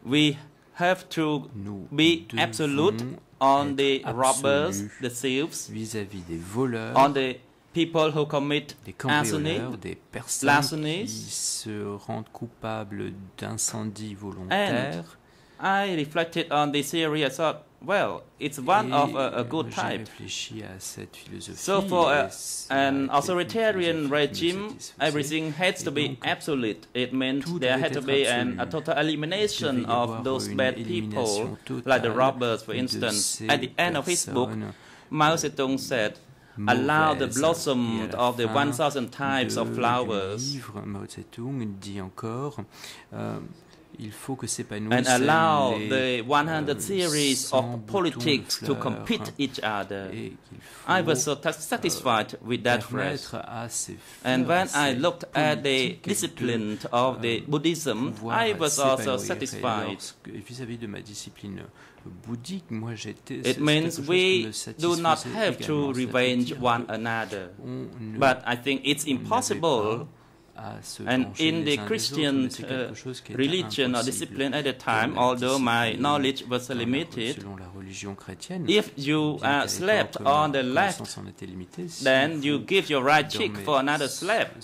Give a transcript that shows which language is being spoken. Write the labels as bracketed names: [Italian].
[English] we have to be absolute on the robbers, the thieves, [French] vis-à-vis des voleurs, [English] on the people who commit arson, [French] des personnes qui se rendent coupables d'incendies volontaires. [English] And I reflected on this theory. I thought, Well, it's one of a good type. So for an authoritarian regime, everything has to be absolute. It means there had to be a total elimination of those bad people, like the robbers, for instance. At the end of his book, Mao Zedong said, allow the blossom of the 1,000 types of flowers. [French] Mao Zedong dit encore, il faut que [English] and allow the 100 theories of politics to compete each other. I was so satisphrased with that phrase. And when I looked at the discipline of the Buddhism, I was also satisfied. [French] Vis-à-vis de ma discipline bouddhique, moi j'étais, [English] it means we do not have to revenge one another. But I think it's impossible. And in the Christian religion or discipline at the time, although my knowledge was limited, if you are slapped on the left, then you give your right cheek for another slap.